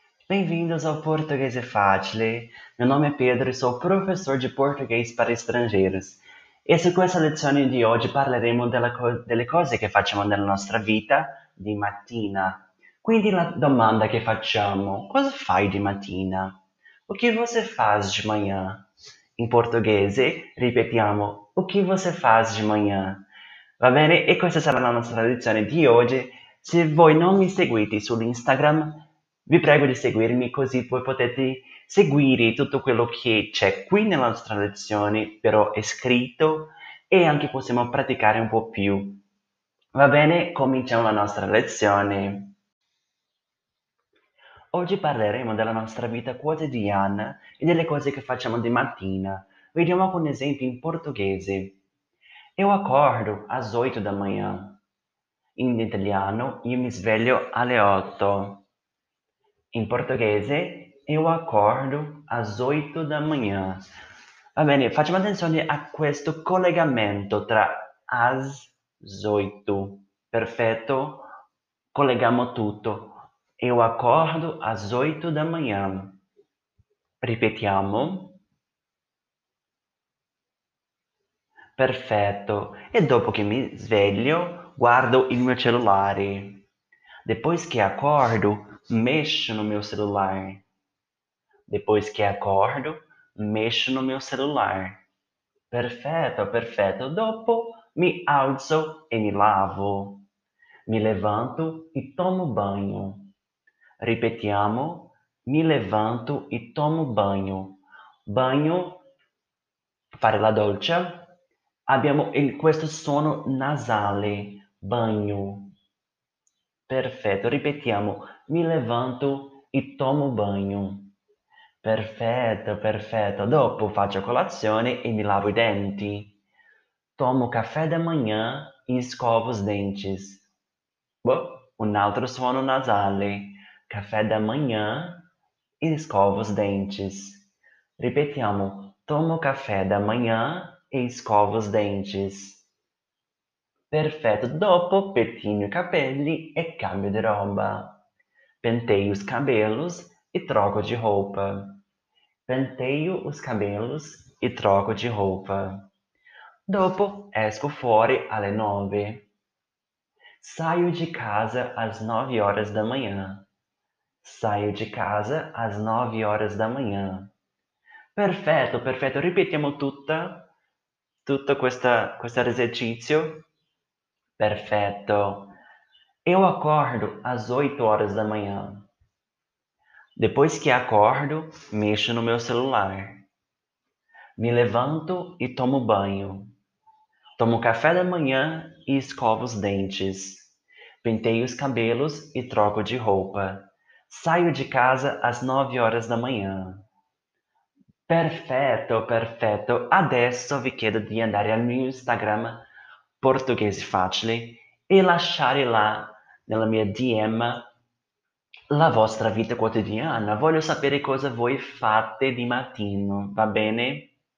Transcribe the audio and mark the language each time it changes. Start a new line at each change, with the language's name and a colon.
Portuguese: Bem-vindos ao Português é Fácil. Meu nome é Pedro e sou professor de português para estrangeiros. E com essa lição de hoje
Italian: parleremo delle cose che facciamo nella nostra vita di mattina. Quindi la domanda che facciamo: cosa fai di mattina?
Portuguese: O que você faz de manhã?
Italian: In portoghese, ripetiamo:
Portuguese: o que você faz de manhã?
Italian: Va bene? E questa sarà la nostra lezione di oggi. Se voi non mi seguite sull'Instagram, vi prego di seguirmi così voi potete seguire tutto quello che c'è qui nella nostra lezione, però è scritto e anche possiamo praticare un po' più. Va bene? Cominciamo la nostra lezione. Oggi parleremo della nostra vita quotidiana e delle cose che facciamo di mattina. Vediamo con un esempio in portoghese.
Portuguese: Eu acordo às 8 da manhã.
Italian: In italiano, io mi sveglio alle 8. In portoghese,
Portuguese: eu acordo às 8 da manhã.
Italian: Va bene, facciamo attenzione a questo collegamento tra as 8. Perfetto, colleghiamo tutto.
Portuguese: Eu acordo às 8 da manhã.
Italian: Ripetiamo. Perfetto. E dopo che mi sveglio, guardo il mio cellulare.
Portuguese: Depois che acordo, mexo no meu celular. Depois que acordo, mexo no meu celular. Perfeito, perfeito.
Italian: Dopo, me alzo e me lavo.
Portuguese: Me levanto e tomo banho.
Italian: Ripetiamo.
Portuguese: Me levanto e tomo banho. Banho,
Italian: fare la doccia. Abbiamo questo suono nasale.
Portuguese: Banho. Perfeito,
Italian: ripetiamo.
Portuguese: Me levanto e tomo banho.
Italian: Perfetto, perfetto. Dopo faccio colazione e mi lavo i denti.
Portuguese: Tomo caffè da manhã e scovo os dentes.
Italian: Boh, un altro suono nasale.
Portuguese: Caffè da manhã e scovo os dentes.
Italian: Ripetiamo.
Portuguese: Tomo caffè da manhã e scovo os dentes.
Italian: Perfetto. Dopo pettino i capelli e cambio di roba.
Portuguese: Penteio os cabelos e troco de roupa. Penteio os cabelos e troco de roupa.
Italian: Dopo esco fuori alle 9.
Portuguese: Saio de casa às 9 horas da manhã. Saio de casa às 9 horas da manhã. Perfeito, perfeito.
Italian: Ripetiamo tutto questo esercizio.
Portuguese: Perfeito. Eu acordo às 8 horas da manhã. Depois que acordo, mexo no meu celular. Me levanto e tomo banho. Tomo café da manhã e escovo os dentes. Penteio os cabelos e troco de roupa. Saio de casa às 9 horas da manhã. Perfeito, perfeito.
Italian: Adesso vi chiedo di andare al mio Instagram Portoghese Facile e lasciare là nella mia DM, la vostra vita quotidiana. Voglio sapere cosa voi fate di mattino, va bene?